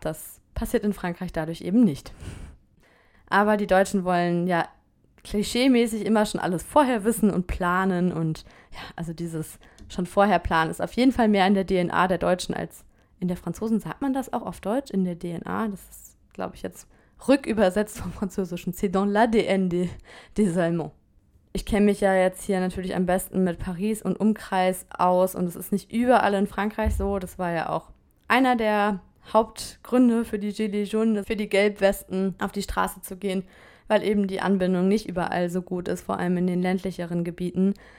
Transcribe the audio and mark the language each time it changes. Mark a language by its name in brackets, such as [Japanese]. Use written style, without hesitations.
[German] Das passiert in Frankreich dadurch eben nicht. Aber die Deutschen wollen ja klischee-mäßig immer schon alles vorher wissen und planen. Und ja, also dieses schon vorher planen ist auf jeden Fall mehr in der DNA der Deutschen als in der Franzosen. Sagt man das auch auf Deutsch? In der DNA? Das ist, glaube ich, jetzt rückübersetzt vom Französischen. [French] C'est dans l'ADN des Allemands. [German] Ich kenne mich ja jetzt hier natürlich am besten mit Paris und Umkreis aus und es ist nicht überall in Frankreich so. Das war ja auch einer der Hauptgründe für die Gilets Jaunes, für die Gelbwesten auf die Straße zu gehen, weil eben die Anbindung nicht überall so gut ist, vor allem in den ländlicheren Gebieten.